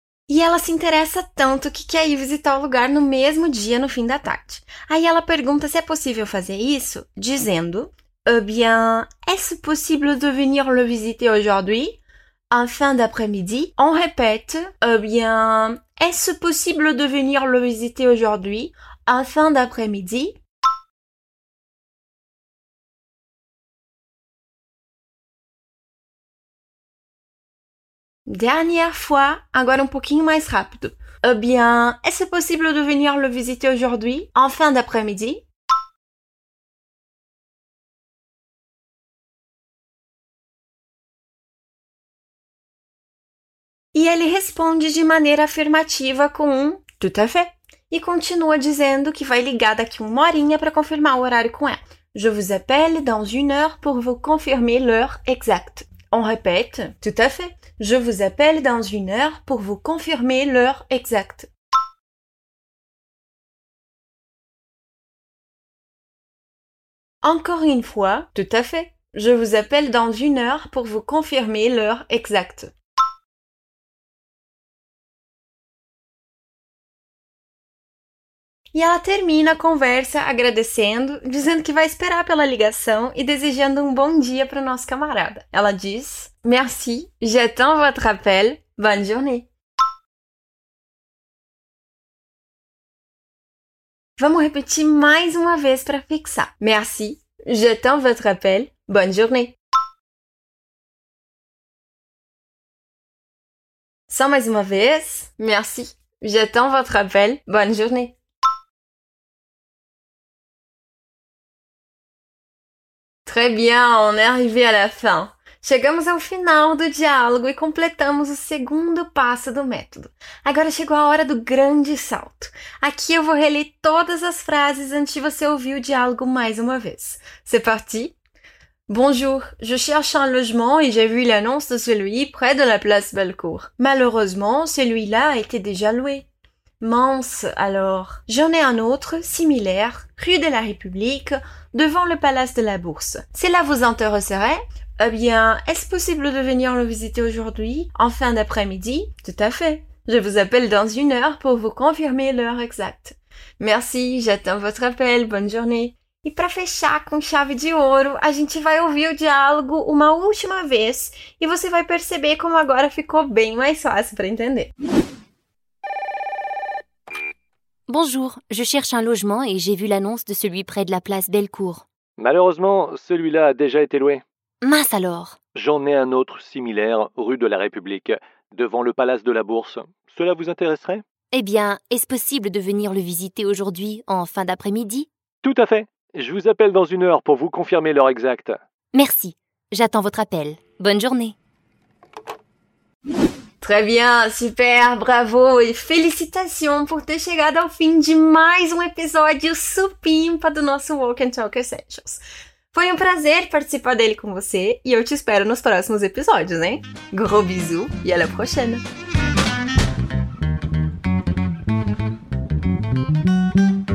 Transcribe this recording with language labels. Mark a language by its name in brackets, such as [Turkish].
[Portuguese] E ela se interessa tanto que quer ir visitar o lugar no mesmo dia, no fim da tarde. Aí ela pergunta se é possível fazer isso, dizendo: [French] Eh bien, est-ce possible de venir le visiter aujourd'hui? En fin d'après-midi, on répète: Eh bien, est-ce possible de venir le visiter aujourd'hui? En fin d'après-midi? Dernière fois, [Portuguese] agora um pouquinho mais rápido. [French] Eh bien, est-ce possible de venir le visiter aujourd'hui? En fin d'après-midi? [Portuguese] E ele responde de maneira afirmativa com um [French] tout à fait. [Portuguese] E continua dizendo que vai ligar daqui uma horinha para confirmar o horário com ela. [French] Je vous appelle dans une heure pour vous confirmer l'heure exacte. On répète. Tout à fait. Je vous appelle dans une heure pour vous confirmer l'heure exacte. Encore une fois, tout à fait. Je vous appelle dans une heure pour vous confirmer l'heure exacte. [Portuguese] E ela termina a conversa agradecendo, dizendo que vai esperar pela ligação e desejando um bom dia para o nosso camarada. Ela diz: [French] Merci, j'attends votre appel, bonne journée. [Portuguese] Vamos repetir mais uma vez para fixar. [French] Merci, j'attends votre appel, bonne journée. [Portuguese] Só mais uma vez. [French] Merci, j'attends votre appel, bonne journée. Très bien, on est arrivé à la fin. [Portuguese] Chegamos ao final do diálogo e completamos o segundo passo do método. Agora chegou a hora do grande salto. Aqui eu vou reler todas as frases antes de você ouvir o diálogo mais uma vez. [French] C'est parti! Bonjour, je cherche un logement et j'ai vu l'annonce de celui près de la place Bellecour. Malheureusement, celui-là était déjà loué. Mince, alors. J'en ai un autre, similaire, rue de la République, devant le Palace de la Bourse. Cela vous intéresserait? Eh bien, est-ce possible de venir le visiter aujourd'hui, en fin d'après-midi? Tout à fait. Je vous appelle dans une heure pour vous confirmer l'heure exacte. Merci, j'attends votre appel, bonne journée. [Portuguese] E para fechar com chave de ouro, a gente vai ouvir o diálogo uma última vez e você vai perceber como agora ficou bem mais fácil para entender. [French] Bonjour, je cherche un logement et j'ai vu l'annonce de celui près de la place Bellecour. Malheureusement, celui-là a déjà été loué. Mince alors! J'en ai un autre similaire, rue de la République, devant le Palace de la Bourse. Cela vous intéresserait? Eh bien, est-ce possible de venir le visiter aujourd'hui, en fin d'après-midi? Tout à fait. Je vous appelle dans une heure pour vous confirmer l'heure exacte. Merci, j'attends votre appel. Bonne journée! Très bien, super, bravo [Portuguese] e [French] félicitations [Portuguese] por ter chegado ao fim de mais um episódio supimpa do nosso Walk and Talk Essentials. Foi um prazer participar dele com você e eu te espero nos próximos episódios, hein? [French] Gros bisous e à la prochaine!